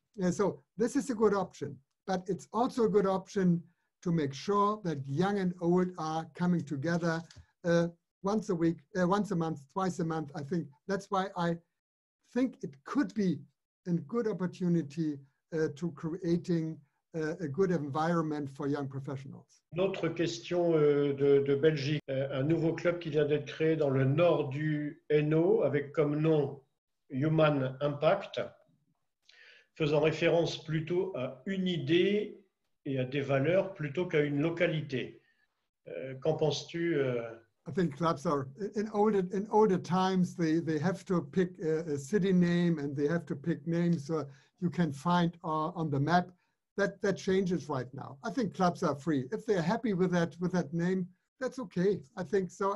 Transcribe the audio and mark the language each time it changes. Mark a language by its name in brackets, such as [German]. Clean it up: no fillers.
[English] So this is a good option, but it's also a good option to make sure that young and old are coming together once a week, once a month, twice a month. I think that's why I think it could be a good opportunity to creating a good environment for young professionals. [French] Une autre question de Belgique, un nouveau club qui vient d'être créé dans le nord du Hainaut avec comme nom Human Impact, faisant référence plutôt à une idée et à des valeurs plutôt qu'à une localité. Qu'en penses-tu? [English] I think clubs are in older times they have to pick a city name and they have to pick names you can find on the map. That changes right now. I think clubs are free. If they're happy with that name, that's okay. I think so.